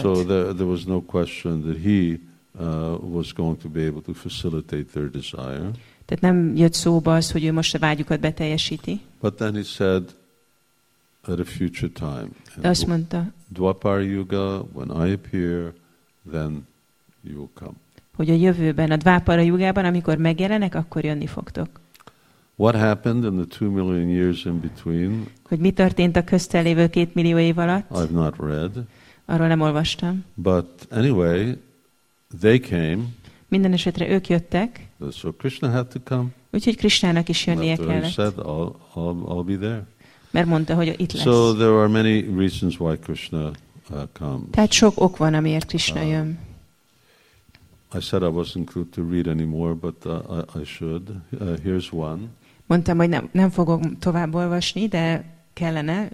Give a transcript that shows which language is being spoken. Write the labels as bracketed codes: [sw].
[en] So there was no question that he was going to be able to facilitate their desire. [hu] Tehát nem jött szóba az, hogy ő most a vágyukat beteljesíti. [en] But then he said, at a future time. [hu] Azt mondta. [en] Dwapar Yuga, when I appear, then you will come. [hu] Hogy a jövőben, a Dvapara Yugában, amikor megjelenek, akkor jönni fogtok. [en] What happened in the 2 million years in between? [hu] Hogy mi történt a közte lévő 2 millió év alatt? [en] I've not read. [hu] Arról nem olvastam. [en] But anyway, they came. [hu] Minden esetre ők jöttek. [en] So Krishna had to come. [hu] Úgyhogy Krishnának is jönnie kellett. [en] Said, I'll be there. [hu] Mert mondta, hogy itt lesz. [en] So there are many reasons why Krishna comes. [hu] Tehát sok ok van, amiért Krishna jön. [en] I said I wasn't going to read anymore, but I should. Here's one. [hu] Mondtam, hogy nem fogok tovább olvasni, de kellene.